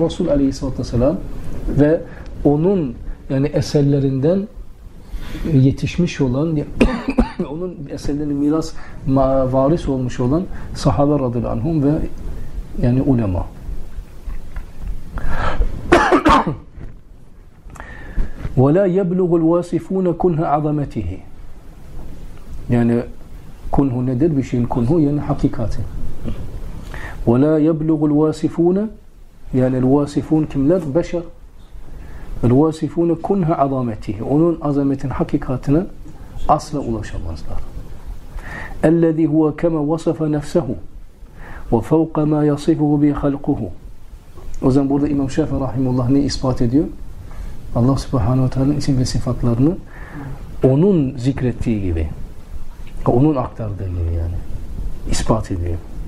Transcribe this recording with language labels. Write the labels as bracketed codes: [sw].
[tr] Resul Aleyhisselatü Vesselam ve onun yani eserlerinden yetişmiş olan onun eserlerini miras varis olmuş olan sahabe radıyallahu anhum ve yani ulema. [ar] وَلَا يَبْلُغُ الْوَاسِفُونَ كُنْهَ عَظَمَتِهِ. [tr] Yani kunhu nedir? Bir şeyin kunhu yani hakikati. [ar] وَلَا يَبْلُغُ الْوَاسِفُونَ yani الواسفون kimler? [tr] Beşer. [ar] الواسفون كُنْهَ عَظَمَتِهِ [tr] onun azametin hakikatine asla ulaşamazlar. [ar] الَّذِي هُوَ كَمَا وَصَفَ نَفْسَهُ وَفَوْقَ مَا يَصِفُهُ بِخَلْقُهُ. [tr] O zaman burada İmam Şafii Rahimullah ne ispat ediyor? Allah Subhanahu ve Teala'nın isim ve sıfatlarını onun zikrettiği gibi, onun aktardığı gibi yani ispat ediyor.